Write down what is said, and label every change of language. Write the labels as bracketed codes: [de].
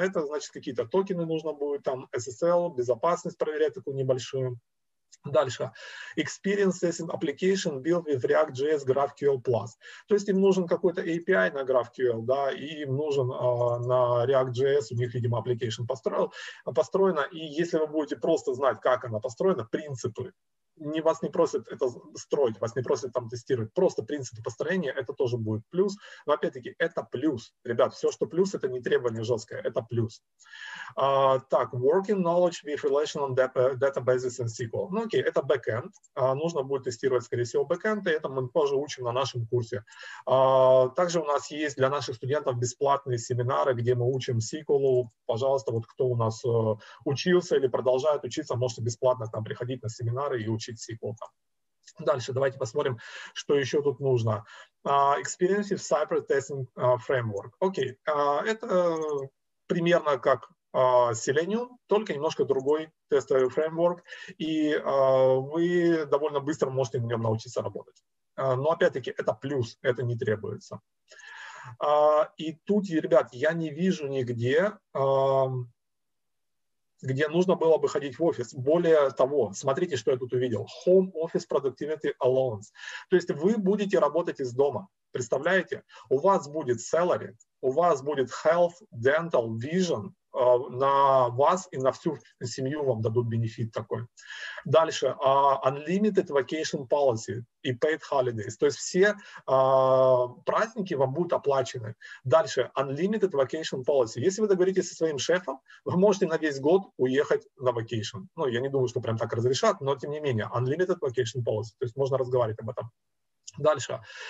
[ru] Это, значит, какие-то токены нужно будет, там SSL, безопасность проверять такую небольшую. Дальше. [en] Experience testing application built with React.js GraphQL Plus. [ru] То есть им нужен какой-то API на GraphQL, да, и им нужен на React.js, у них, видимо, application построена. И если вы будете просто знать, как она построена, принципы, не вас не просят это строить, вас не просят там тестировать, просто принципы построения, это тоже будет плюс. Но опять-таки, это плюс. Ребят, все, что плюс, это не требование жесткое, это плюс. Так, [en] working knowledge with relational databases and SQL. [ru] Ну окей, это backend. Нужно будет тестировать, скорее всего, backend, и это мы тоже учим на нашем курсе. Также у нас есть для наших студентов бесплатные семинары, где мы учим SQL. Пожалуйста, вот кто у нас учился или продолжает учиться, можете бесплатно там приходить на семинары и учить SQL. Дальше давайте посмотрим, что еще тут нужно. [en] Experience with Cypher Testing Framework. [ru] Окей, это примерно как Selenium, только немножко другой тестовый фреймворк, и вы довольно быстро можете в нем научиться работать. Но опять-таки это плюс, это не требуется. И тут, ребят, я не вижу нигде, где нужно было бы ходить в офис. Более того, смотрите, что я тут увидел. [en] Home Office Productivity Allowance. [ru] То есть вы будете работать из дома. Представляете? У вас будет salary, у вас будет health, dental, vision. На вас и на всю семью вам дадут бенефит такой. Дальше. [en] Unlimited vacation policy [ru] и [en] paid holidays. [ru] То есть все праздники вам будут оплачены. Дальше. [en] Unlimited vacation policy. [ru] Если вы договоритесь со своим шефом, вы можете на весь год уехать на vacation. Ну, я не думаю, что прям так разрешат, но тем не менее. [en] Unlimited vacation policy. [ru] То есть можно разговаривать об этом. Дальше.